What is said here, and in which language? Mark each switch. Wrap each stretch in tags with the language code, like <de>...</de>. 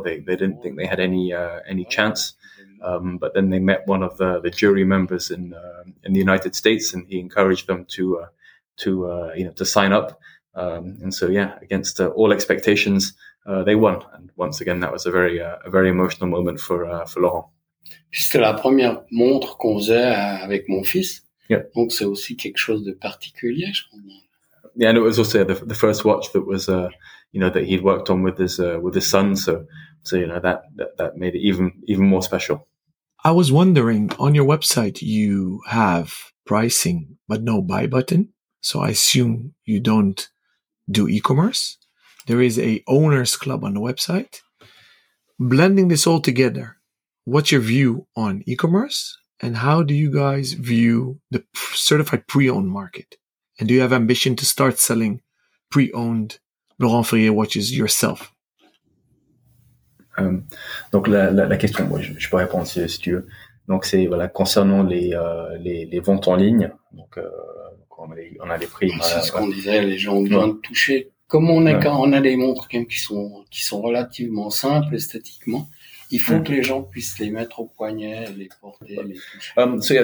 <en>They didn't think they had any chance. But then they met one of the jury members in the United States, and he encouraged them to sign up. Against all expectations, they won. And once again, that was a very emotional moment for Laurent.</en> <fr>Puis c'était la première montre qu'on faisait avec mon fils.</fr> <en>Yeah.</en> <fr>Donc c'est aussi quelque chose de particulier, je crois.</fr> <en>Yeah, and it was also the first watch that was that he'd worked on with his son. So that made it even more special. I was wondering, on your website you have pricing but no buy button. So I assume you don't do e-commerce. There is a owner's club on the website. Blending this all together, what's your view on e-commerce, and how do you guys view the certified pre-owned market? And do you have ambition to start selling pre-owned Laurent Ferrier watches yourself?</en> <fr>Donc la question, moi, je peux répondre si tu veux. Donc c'est voilà, concernant les ventes en ligne. Donc on a les prix. C'est ce qu'on disait, les gens ont besoin de toucher. Comme on est quand on a des montres qui sont relativement simples esthétiquement, il faut que les gens puissent les mettre au poignet, les porter, les toucher.</fr>